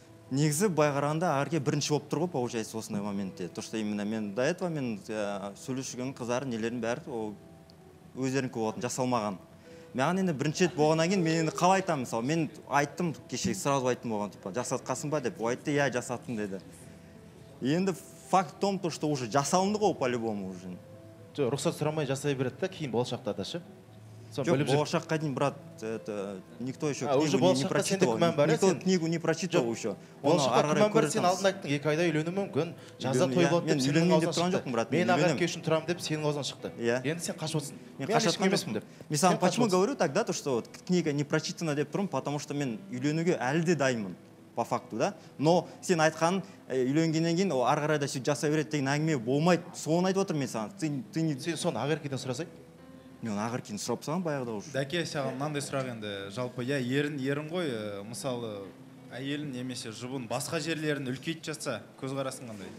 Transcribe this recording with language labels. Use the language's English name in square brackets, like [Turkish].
[Kazakh] Негізі былай қарағанда ағырке бірінші болып тұр ғой получается осындай моментте. Дұрыс, именно мен [Russian] до этого [Kazakh] мен сөйлесіген қыздар нелерін бәрі ол өздерінікі болатын, жасалмаған. Маған енді бірінші рет болғаннан кейін мен енді қалай айтамын, мысалы мен айттым кеше, сразу айттым оған, типа жасатқансың ба деп. Ол айтты, иә жасаттым деді. Енді [Russian] факт в том, что уже [Kazakh] жасалынды ғой [Russian] по-любому уже. [Kazakh] Жоқ, рұқсат сұрамай жасай береді да, кейін болашақта да ше. Жоқ, болашаққа дейін, [Russian] брат, это никто еще книгу не прочитывал. Никто книгу не прочитывал еще. [Kazakh] Болашаққа күмән бар, сен алдында айттың, екі айда үйленуім мүмкін, жаза той болады деп, сенің аузыңнан шықты. Мен үйленемін деп тұрған жоқпын, брат. Мен ағарке үшін тұрамын деп, сенің аузыңнан шықты. Иә. Енді сен қашып отырсың. Мен қашатқан емеспін деп. [Russian] Мысалы, почему говорю так, да, то что книга не прочитана [Kazakh] деп тұрмын, [Russian] потому что [Kazakh] мен үйленуге әлі де дайынмын. [Russian] По факту, да? [Kazakh] Но сен айтқан, үйленгеннен кейін ары қарай да сөйтіп жасай береді деген әңгіме болмайды. Соны айтып отырмын мен саған. Сен соны ағыркеден сұрасай. Мен ағыркені сұрап саған баяғыда уже. Дәке, саған мынандай сұрақ енді. Жалпы, иә, ерін ғой. Мысалы, әйелін немесе жұбын басқа жерлерін үлкейтіп жатса, көзқарасың қандай?